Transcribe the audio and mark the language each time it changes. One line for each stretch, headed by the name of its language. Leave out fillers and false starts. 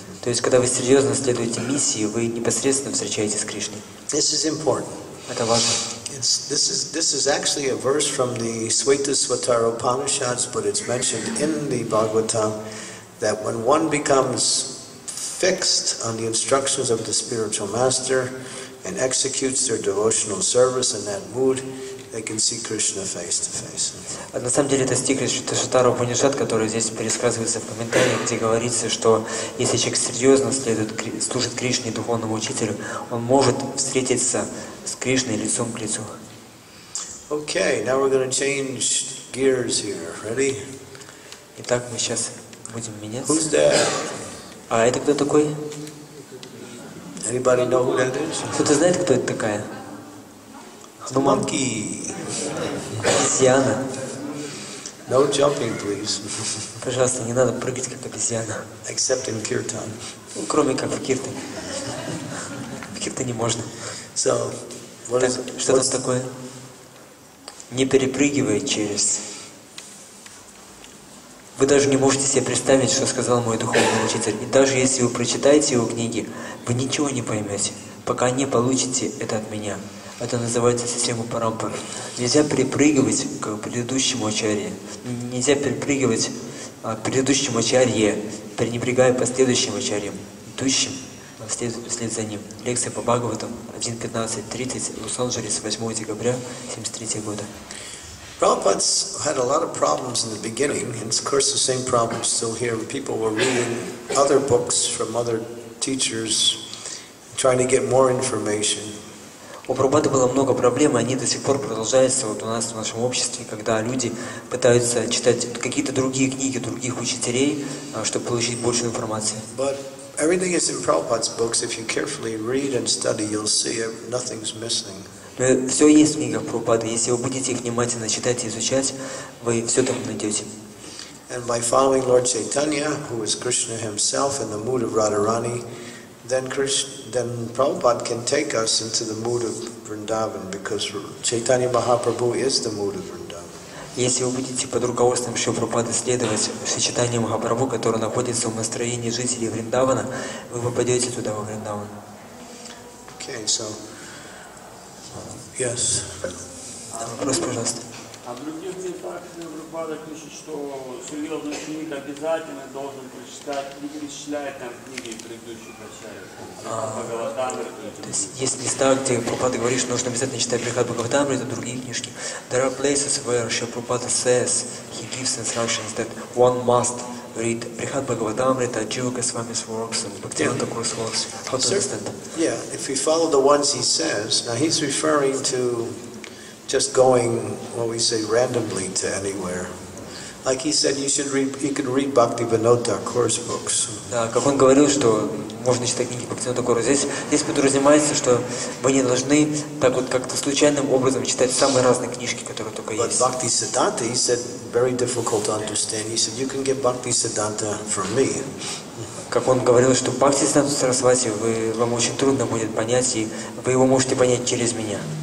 Russian: То есть, когда вы серьезно следуете миссии, вы непосредственно встречаетесь с Кришной.
English: This is important.
Russian: Это важно.
English: This is actually a verse from the Svetasvatara Upanishads, but it's mentioned in the Bhagavatam. That when one becomes fixed on the instructions of the spiritual master and executes their devotional service in that mood, they can see Krishna face to face.
Russian: На самом деле это стих из Шатара Упанишад, который здесь пересказывается в комментариях, где говорится, что если человек серьезно следует служит Кришне и духовному учителю, он может встретиться с Кришной лицом к лицу.
English: Okay, now we're going to change gears here. Ready?
Russian: Итак, мы сейчас будем меняться.
English: Who's there?
Russian: А это кто такой?
English: Anybody know who that is?
Russian: Кто-то знает, кто это такая?
English: The monkey.
Russian: Обезьяна.
English: No jumping, please.
Russian: Пожалуйста, не надо прыгать, как обезьяна.
English: Except in kirtan.
Russian: Ну, кроме как в киртане. В киртане можно.
English: So, what
Russian: так,
English: is,
Russian: что там такое? Не перепрыгивай через... Вы даже не можете себе представить, что сказал мой духовный учитель. И даже если вы прочитаете его книги, вы ничего не поймете, пока не получите это от меня. Это называется система парампара. Нельзя перепрыгивать к предыдущему ачарье. Нельзя перепрыгивать к предыдущему ачарье, пренебрегая последующим ачарьем, идущим вслед за ним. Лекция по Бхагаватам, 1.15.30, Лос-Анджелес, 8 декабря 1973 года.
English: Prabhupada had a lot of problems in the beginning, and of course the same problems still here. People were reading other books from other teachers, trying to get more information.
Russian: У Прабхупады было много проблем, и они до сих пор продолжаются вот у нас в нашем обществе, когда люди пытаются читать какие-то другие книги других учителей, чтобы получить больше информации.
English: But everything is in Prabhupada's books. If you carefully read and study, you'll see nothing's missing.
Russian: Но все есть в книгах Прабхупады. Если вы будете их внимательно читать и изучать, вы все там найдете.
English: And by following Lord Chaitanya, who is Krishna himself, in the mood of Radharani, then Prabhupada can take us into the mood of Vrindavan, because Chaitanya Mahaprabhu is the mood of Vrindavan.
Russian: Если вы будете под руководством Шри Прабхупады следовать Шри Чайтанья Махапрабху, который находится в настроении жителей Вриндавана, вы попадете туда, во Вриндаван.
English: Okay, so. Yes.
Russian: Вопрос, пожалуйста. А в других местах Прабхупада пишет, что серьезный ученик обязательно должен прочитать и перечисляет там книги предыдущих ачарьев. То есть есть места, где Прабхупада говорит, что нужно обязательно читать Прихад Бхагаватамриту, другие книжки.
English: There are places where Shri Prabhupada says, he gives instructions that one must read Prihat Bhagavatamrita, Jiva Goswami's works, and Bhaktivinoda Kura's works. How to understand? Yeah, if we follow the ones he says, now he's referring to just going, what we say, randomly to anywhere. Like he said, you could read Bhaktivinoda Kura's books.
Russian: Как он говорил, что можно читать книги Бхактивинода Кура. Здесь подразумевается, что вы не должны так вот как-то случайным образом читать самые разные книжки, которые только есть.
English: But Bhakti Siddhanta, he said, very difficult to understand. He said, you can get Bhakti Siddhanta from me.
Russian: Как он говорил, что Бхакти Сиддханта Сарасвати вам очень трудно будет понять, и вы его можете понять через меня.